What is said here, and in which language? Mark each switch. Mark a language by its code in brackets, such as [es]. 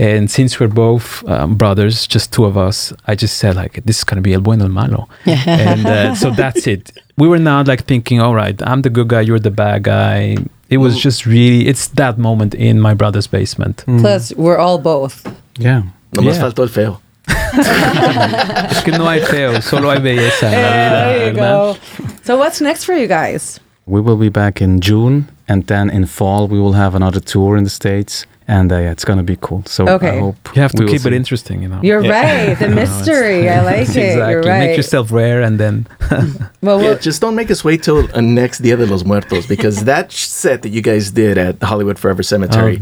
[en] And since we're both brothers, just two of us, I just said like, this is going to be El Bueno El Malo. And so that's it. We were not like thinking, all right, I'm the good guy, you're the bad guy. It was just really, it's that moment in my brother's basement. Mm. Plus, we're all both. Yeah. [es] No más faltó el feo. Es que no hay feo, solo hay belleza. [en] Hey, there you go. So what's next for you guys? We will be back in June, and then in fall we will have another tour in the States, and it's gonna be cool. So okay. I hope you have to keep it interesting, you know. You're right, the mystery. I like it. Exactly. You're right. Make yourself rare, and then just don't make us wait till next Dia de los Muertos, because that set that you guys did at the Hollywood Forever Cemetery,